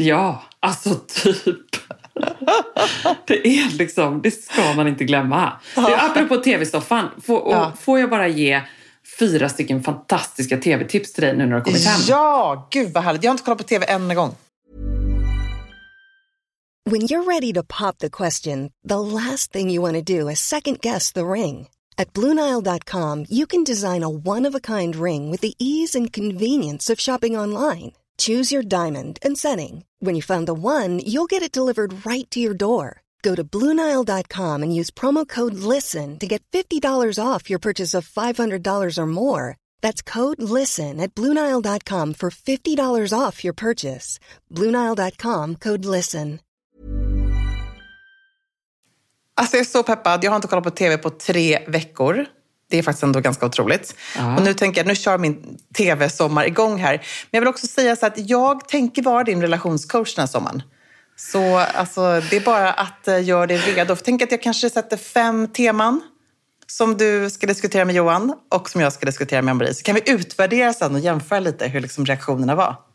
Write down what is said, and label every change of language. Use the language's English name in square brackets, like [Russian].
[Swedish] Ja, alltså typ. Det är liksom, det ska man inte glömma. Det är apropå tv-soffan. Får jag bara ge 4 stycken fantastiska tv-tips till dig nu när du har kommit hem? Ja, gud vad härligt. Jag har inte kollat på tv än en gång. [English] When you're ready to pop the question, the last thing you want to do is second guess the ring. At BlueNile.com, you can design a one-of-a-kind ring with the ease and convenience of shopping online. Choose your diamond and setting. When you find the one, you'll get it delivered right to your door. Go to BlueNile.com and use promo code LISTEN to get $50 off your purchase of $500 or more. That's code LISTEN at BlueNile.com for $50 off your purchase. BlueNile.com, code LISTEN. [Swedish] Alltså jag är så peppad, jag har inte kollat på tv på 3 veckor. Det är faktiskt ändå ganska otroligt. Ja. Och nu tänker jag, nu kör min tv-sommar igång här. Men jag vill också säga så att jag tänker vara din relationscoach den här sommaren. Så alltså, det är bara att göra det redo. Tänk att jag kanske sätter 5 teman som du ska diskutera med Johan och som jag ska diskutera med Ann-Marie. Så kan vi utvärdera sen och jämföra lite hur liksom reaktionerna var.